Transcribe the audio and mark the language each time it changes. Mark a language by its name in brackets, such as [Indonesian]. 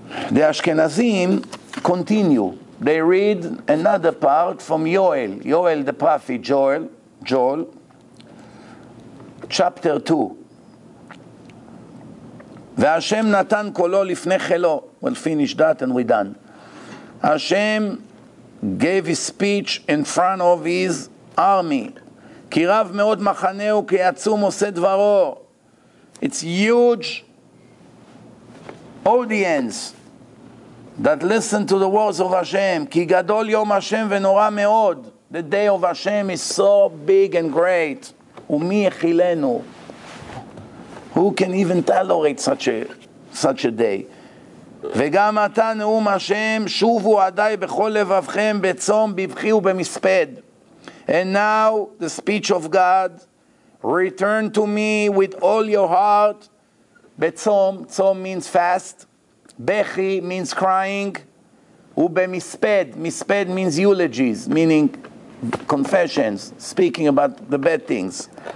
[English] The Ashkenazim continue. They read another part from Joel, Joel the prophet, Joel, Joel, chapter 2. [Hebrew] והשם נתן קולו לפני חילו. [English] We'll finish that and we're done. השם gave his speech in front of his army. [Hebrew] כי רב מאוד מחנהו, כי עצום עושה דברו. [English] It's huge audience that listen to the words of Hashem. [Hebrew] כי גדול יום השם ונורא מאוד. [English] The day of Hashem is so big and great. [Hebrew] ומי יכילנו? [English] Who can even tolerate such a day? [Hebrew] וגם אתה נאום השם, שובו עדיי בכל לבבכם, בצום, בבכי ובמספד. [English] And now the speech of God, return to me with all your heart. בצום, צום means fast. בכי means crying. ובמספד, מספד means eulogies, meaning confessions, speaking about the bad things.